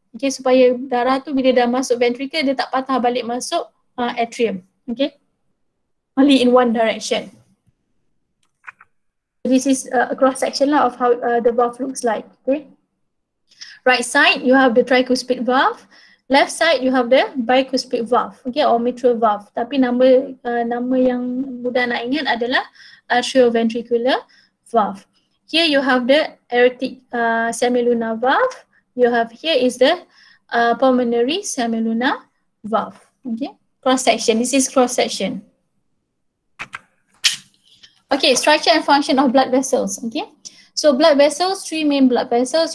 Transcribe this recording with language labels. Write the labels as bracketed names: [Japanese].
[Malay] Okay, supaya darah tu bila dah masuk ventricle, dia tak patah balik masuk atrium. Okay. [English] Only in one direction. This is a cross section lah of how the valve looks like. Okay, right side you have the tricuspid valve, left side you have the bicuspid valve. Okay, or mitral valve. [Malay] Tapi nama yang mudah nak ingat adalah atrioventricular valve. [English] Here you have the aortic semilunar valve. You have here is the pulmonary semilunar valve. Okay, cross section. This is cross section. Okay, structure and function of blood vessels. Okay, so blood vessels, three main blood vessels.